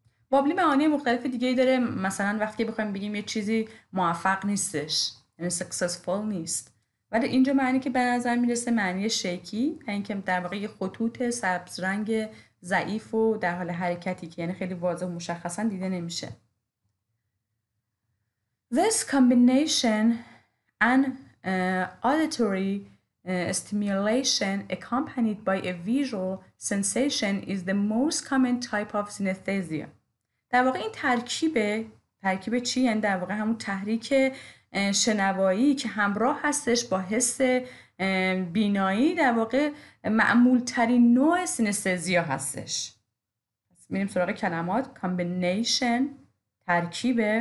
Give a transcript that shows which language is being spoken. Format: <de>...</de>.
<fa>وابلی معانی مختلف دیگه ای داره، مثلا وقتی بخوایم بگیم یه چیزی موفق نیستش، یعنی سکسسفول نیست، ولی اینجا معنی که به نظر میرسه معنی شیکی، یعنی که در واقع یه خطوط سبز رنگ ضعیف و در حال حرکتی که یعنی خیلی واضح و مشخصا دیده نمیشه.</fa> <en>This combination and auditory stimulation accompanied by a visual sensation is the most common type of synesthesia.</en> <fa>در واقع این ترکیب چی؟ یعنی در واقع همون تحریک شنوایی که همراه هستش با حس بینایی در واقع معمول ترین نوع سینستزیا هستش. میریم سراغ کلمات. combination ترکیب.</fa>